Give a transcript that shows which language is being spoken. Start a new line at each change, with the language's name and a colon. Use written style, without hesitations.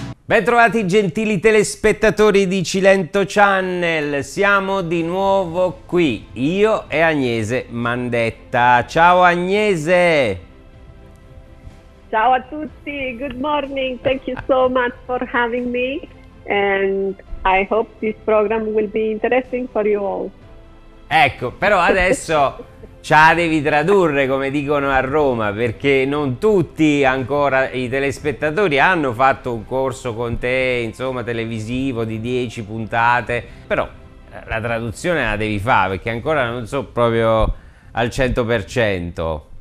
Italian: Bentrovati gentili telespettatori di Cilento Channel, siamo di nuovo qui, io e Agnese Mandetta. Ciao Agnese! Ciao a tutti,
English: good morning, thank you so much for having me and I hope this program will be interesting for you all.
Italian: Ecco, però adesso ce la devi tradurre, come dicono a Roma, perché non tutti ancora i telespettatori hanno fatto un corso con te, insomma, televisivo di 10 puntate, però la traduzione la devi fare, perché ancora non so proprio al 100%.